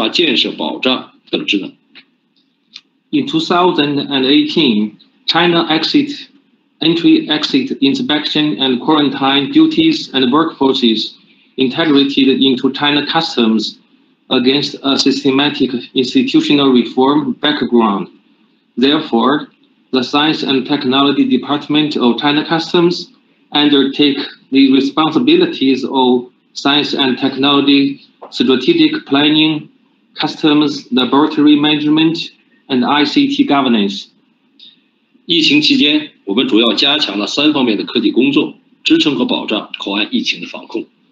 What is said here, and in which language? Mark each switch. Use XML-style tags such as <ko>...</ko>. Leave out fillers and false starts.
<zh>将进出境检疫检疫管理职能和队伍划入海关总署，因此中国海关科技部门承担了科技发展规划、实验室建设和信息化建设保障等职能。</zh> <en>In 2018, China entry-exit inspection and quarantine duties and workforces integrated into China Customs. Against a systematic institutional reform background. Therefore, the Science and Technology Department of China Customs undertake the responsibilities of science and technology, strategic planning, customs laboratory management, and ICT governance.</en> <zh>疫情期间，我们主要加强了三方面的科技工作，支撑和保障口岸疫情的防控。</zh>